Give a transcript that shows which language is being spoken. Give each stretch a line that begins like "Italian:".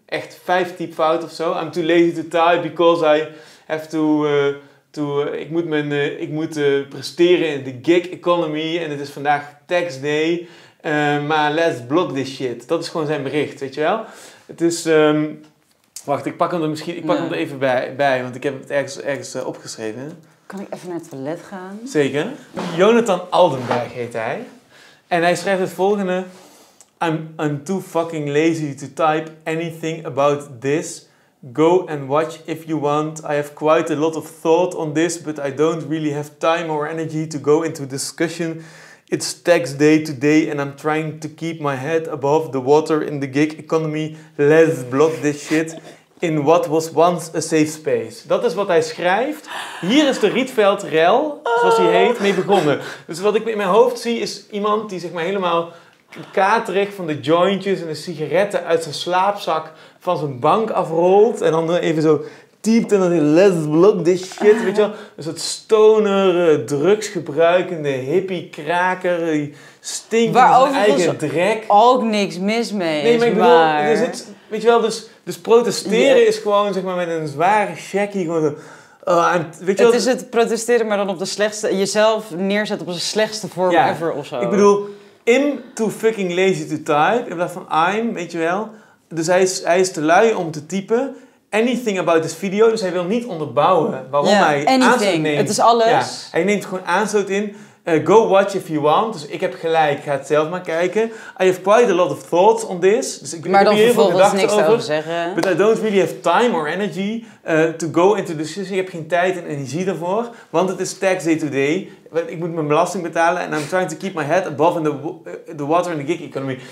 Dutch: Echt 5 typfouten of zo.
English: I'm too lazy to type because I have to,
Dutch: ik moet presteren in de gig economy en het is vandaag tax day, maar
English: let's block this shit.
Dutch: Dat is gewoon zijn bericht, weet je wel? Het is, ik pak hem er even bij, want ik heb het ergens opgeschreven. Kan ik even naar het toilet gaan? Zeker. Jonathan Aldenberg heet hij. En hij schrijft het volgende.
English: I'm too fucking lazy to type anything about this. Go and watch if you want. I have quite a lot of thought on this, but I don't really have time or energy to go into discussion. It's tax day today and I'm trying to keep my head above the water in the gig economy. Let's block this shit in what was once a safe space.
Dutch: Dat is wat hij schrijft. Hier is de Rietveld rel, zoals hij heet, mee begonnen. Dus wat ik in mijn hoofd zie is iemand die zeg maar helemaal katerig van de jointjes en de sigaretten uit zijn slaapzak van zijn bank afrolt en dan even zo typt en dan zegt,
English: let's block this shit,
Dutch: weet je wel. Dus dat stoner, drugsgebruikende, hippie, kraker, die stinkt van zijn eigen drek. Waarover ook niks mis mee is, maar... Dus het, weet je wel, dus protesteren is gewoon zeg maar met een zware checkie gewoon zo... Is het protesteren, maar dan op de slechtste... Jezelf neerzetten op de slechtste vorm ever of zo. Ik bedoel,
English: I'm too fucking lazy to type.
Dutch: In plaats van I'm, weet je wel. Dus hij is te lui om te typen.
English: Anything about this video.
Dutch: Dus hij wil niet onderbouwen waarom hij aanstoot neemt. Het is alles. Ja, hij neemt gewoon aanstoot in.
English: Go watch if you want.
Dutch: Dus ik heb gelijk, ga het zelf maar kijken.
English: I have quite a lot of thoughts on this.
Dutch: Dus ik maar dan heb vervolgens niks over zeggen.
English: But I don't really have time or energy to go into the decision.
Dutch: Ik heb geen tijd en energie daarvoor. Want het is tax day to day. Ik moet mijn belasting betalen.
English: And I'm trying to keep my head above in the water in the gig economy.